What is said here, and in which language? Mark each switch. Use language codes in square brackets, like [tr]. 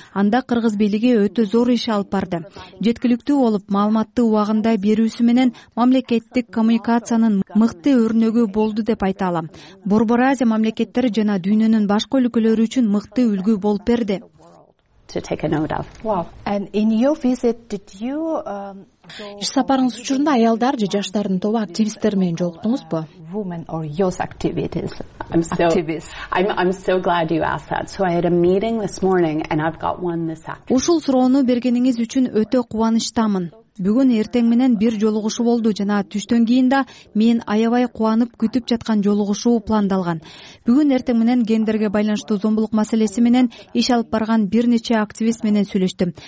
[ky] Анда кыргыз бийлиги өтө зор иш алып барды. Жеткиликтүү болуп, маалыматты убагында берүүсү менен мамлекеттик коммуникациянын мыкты өрнөгү болду деп айта алам. Борбор Азия мамлекеттери жана дүйнөнүн башка өлкөлөрү үчүн мыкты үлгү болуп берди. [en] To take a note of. Wow. And in your visit, did you [ky] иш сапарыңыз учурунда аялдар же жаштардын тобу активисттер менен жолуктуңузбу? [en] Women or youth activities. I'm so glad you asked that. So I had a meeting this morning and I've got one this afternoon. [ky] Ушул суроону бергениңиз үчүн өтө кубанычтамын. Бүгүн эртең менен бир жолугушуу болду жана түштөн кийин да мен аябай кубанып күтүп жаткан жолугушуу пландалган. Бүгүн эртең менен гендерге байланыштуу зомбулук маселеси менен иш алып барган бир нече активист менен сүйлөштүм.